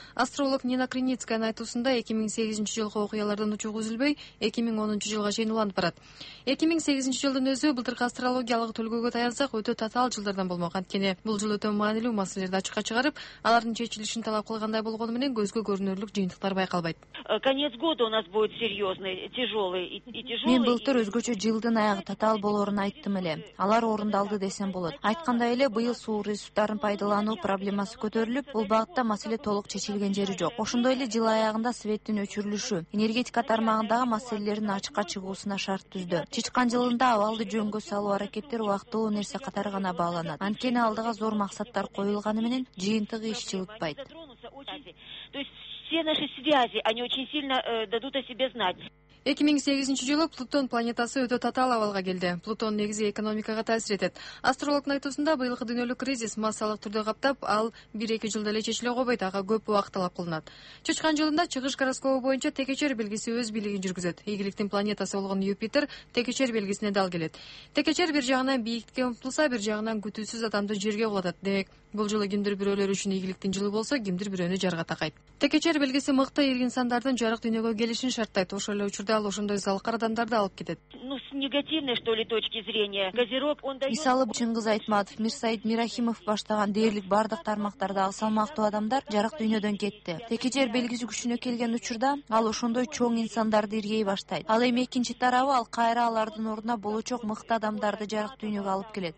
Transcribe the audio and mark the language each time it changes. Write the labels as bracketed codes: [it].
[ky] Астролог Нина Криницкайнын айтуусунда 2008 жылкы окуялардан учугу үзүлбөй 2010 жылга чейин уланып барат. 2008 жылдын өзү былтыркы астрологиялык төлгөгө таянсак өтө татаал жылдардан болмок, анткени бул жыл өтө маанилүү маселелерди ачыкка чыгарып, алардын чечилишин талап кылгандай болгону менен көзгө көрүнөрлүк жыйынтыктар байкалбайт. [ru] Конец года у нас будет серьезный, тяжелый и тяжелый. [ky] Мен былтыр өзгөчө жылдын аягы татаал болорун айттым эле. Алар орундалды десем болот. Айткандай эле быйыл суу ресурстарын пайдалануу проблемасы көтөрүлүп, бул багытта маселе толук чечилген жери жок. Ошондой эле жыл аягында светтин өчүрүлүшү энергетика тармагындагы маселелердин ачыкка чыгуусуна шарт түздү. Чычкан жылында абалды жөнгө салуу аракеттер убактылуу нерсе катары гана бааланат. Анткени алдыга зор максаттар коюлганы менен жыйынтыгы иш чылытпайт. [ru] Все наши связи, они очень сильно дадут о себе знать. [ky] 2008 жылы Плутон планетасы өтө татаал абалга келди. Плутон негизи экономикага таасир этет. Астрологтун айтуусунда быйылкы дүйнөлүк кризис массалык түрдө каптап, ал 1-2 жылда эле чечиле койбойт, ага көп убакыт талап кылынат. Чычкан жылында чыгыш гороскобу боюнча текечер белгиси өз бийлигин жүргүзөт. Ийгиликтин планетасы болгон Юпитер текечер белгисине дал келет. Текечер бир жагынан бийиктикке умтулса, бир жагынан күтүүсүз адамды жерге кулатат. Демек бул жылы кимдир бирөөлөр үчүн ийгиликтин жылы болсо, кимдир бирөөнү жарга такайт. Текечер белгиси мыкты ир инсандардын жарык дүйнөгө келишин шарттайт. Ошол эле учурда ал ошондой залкар адамдарды алып кетет. [ru] Ну, с негативной, что ли, точки зрения. Газирок, он дает... [ky] Мисалы Чыңгыз Айтматов, Мирсаид Мирахимов баштаган дээрлик бардык тармактарда ал салмактуу адамдар жарык дүйнөдөн кетти. Текечер белгиси күчүнө келген учурда ал ошондой чоң инсандарды иргей баштайт. Ал эми экинчи тарабы ал кайра алардын ордуна болочок мыкты адамдарды жарык дүйнөгө алып келет.